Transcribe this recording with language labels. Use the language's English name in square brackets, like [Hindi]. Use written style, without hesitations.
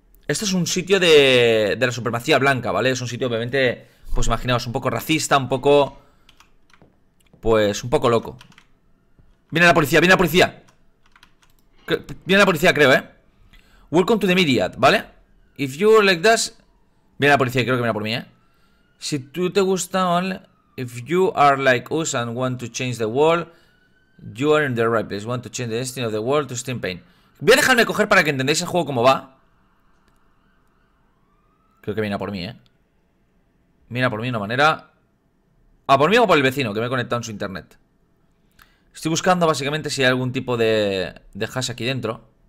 [Spanish] Esto es un sitio de la supremacía blanca, ¿vale? Es un sitio, obviamente, pues imaginaos, un poco racista, un poco. Pues un poco loco. Viene la policía, viene la policía. Viene la policía, creo, ¿eh? [English] Welcome to the Myriad, ¿vale? If you like this. [Spanish] Viene la policía, creo que viene por mí, ¿eh? Si tú te gusta, [English] only, if you are like us and want to change the world, you are in the right place. Want to change the destiny of the world to Steam Pain. [Spanish] Voy a dejarme coger para que entendáis el juego cómo va. Creo que viene a por mí, ¿eh? Viene a por mí de una manera. ¿A por mí o por el vecino que me he conectado en su internet? Estoy buscando básicamente si hay algún tipo de hash aquí dentro.